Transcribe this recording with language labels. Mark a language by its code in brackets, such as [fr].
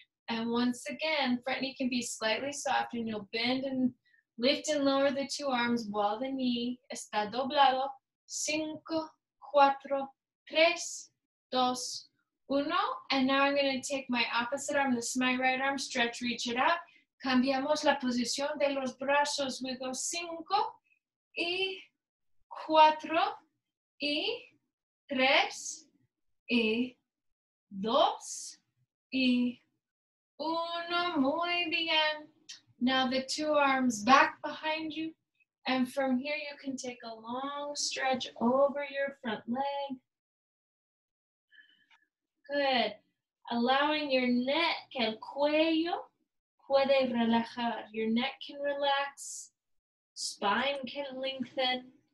[en] And once again, front knee can be slightly soft, and you'll bend and lift and lower the two arms while the knee [es] está doblado. Cinco, cuatro, tres, dos, uno. [en] And now I'm going to take my opposite arm. This is my right arm. Stretch, reach it up. [es] Cambiamos la posición de los brazos. [en] We go [es] cinco y cuatro y tres y dos y uno. Muy bien. [en] Now the two arms back behind you. And from here, you can take a long stretch over your front leg. Good. Allowing your neck, [es] el cuello, puede relajar. [en] Your neck can relax. Spine can lengthen.